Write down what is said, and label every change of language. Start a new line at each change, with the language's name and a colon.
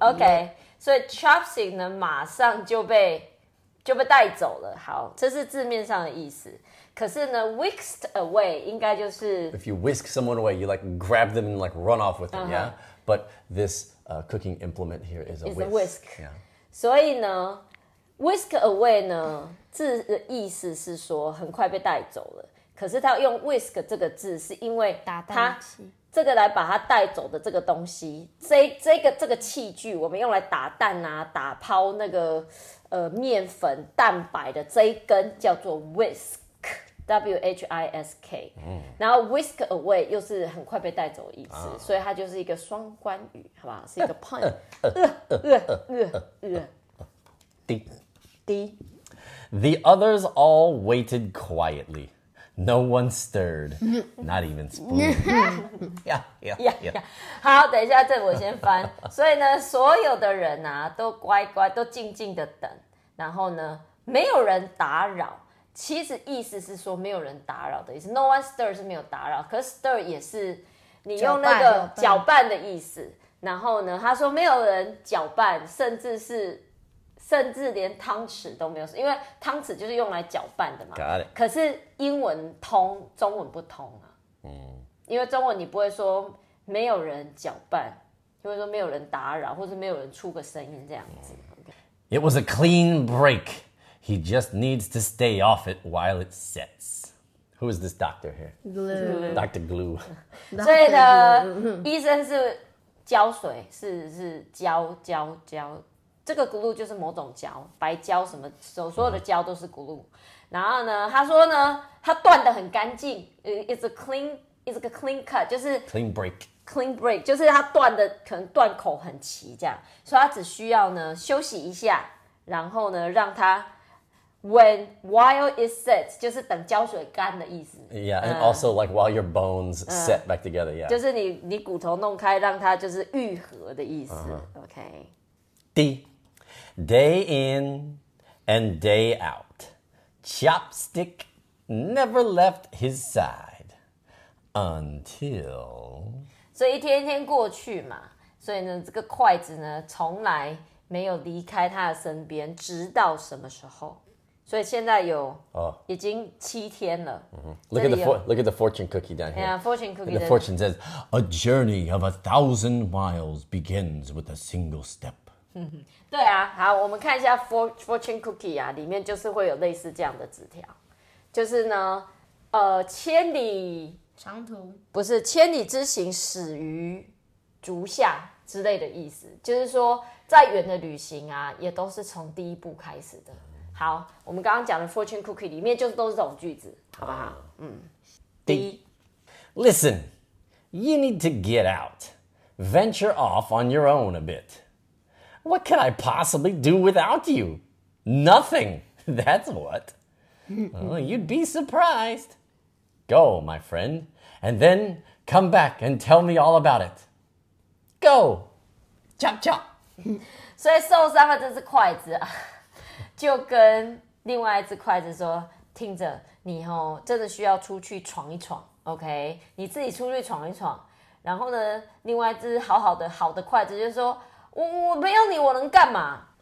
Chinese: OK， 所以 Chopstick 呢，马上就被带走了。好，这是字面上的意思。可是呢 ，whisked away 应该就是
English: if you whisk someone away, you like grab them and like run off with them,、uh-huh. yeah. But this cooking implement here is a whisk. Yeah.
Chinese: 所以呢 ，whisk away 呢，字的意思是说很快被带走了。可是他用 whisk 这个字，是因为他这个来把他带走的这个东西，这个器具，我们用来打蛋啊，打抛那个。面粉蛋白的这一根叫做 whisk, W-H-I-S-K,、嗯、然后 whisk away 又是很快被带走的意思、啊、所以它就是一个双关语，好不好？是一个 pun。
English: D. The others all waited quietly. No one stirred, not even spoon. Yeah.
Chinese: 好，等一下，这我先翻。所以呢，所有的人啊，都乖乖，都静静的等。然后呢，没有人打扰。其实意思是说没有人打扰的意思。
English: No one stir
Chinese: 是没有打扰，可 stir 也是你用那个搅拌的意思。然后呢，他说没有人搅拌，甚至连汤匙都没有，因为汤匙就是用来搅拌的嘛。
English: Got it.
Chinese: 可是英文通，中文不通啊。因为中文你不会说没有人搅拌，就会说没有人打扰，或是没有人出个声音这样子。
English: It was a clean break. He just needs to stay off it while it sets. Who is this doctor here? Glue. Dr. Glue.
Chinese: 所以呢，医生是胶水，是胶。这个 glue 就是某种胶，白胶什么，所有的胶都是 glue。然后呢，他说呢，他断得很干净。
English: It's a clean, It's a clean cut, 就是 clean break.
Chinese: Clean break, 就是它断的可能断口很齐这样，所以它只需要呢休息一下，然后呢让它
English: while it sets,
Chinese: 就是等胶水干的意思。
English: Yeah, and also like while your bones set back together. Yeah,
Chinese: 就是你骨头弄开，让它就是愈合的意思。
English: Uh-huh. Okay. D, day in and day out, Chopstick never left his side until.
Chinese: 所以一天一天过去嘛，所以呢，这个筷子呢，从来没有离开他的身边，直到什么时候？所以现在有已经七天了。
English: Look at the fortune cookie down here. Yeah, fortune cookie. The fortune says, a journey of 1,000 miles begins with a single step.
Chinese: 对啊，好，我们看一下 fortune cookie 啊，里面就是会有类似这样的纸条，就是呢，千里。长途不是千里之行始于足下之类的意思，就是说再远的旅行啊也都是从第一步开始的。好，我们刚刚讲的 fortune cookie 里面就都是这种句子，好不好？
English: 第一， Listen, you need to get out. Venture off on your own a bit. What can I possibly do without you? Nothing, that's what. You'd be surprised. Go, my friend, and then come back and tell me all about it. Go! Chop chop!
Chinese: 所以受伤的这只筷子啊，就跟另外一只筷子说，听着，你哦，真的需要出去闯一闯 ,OK? 你自己出去闯一闯。然后呢，另外一只好的筷子就说，我没有你我能干嘛？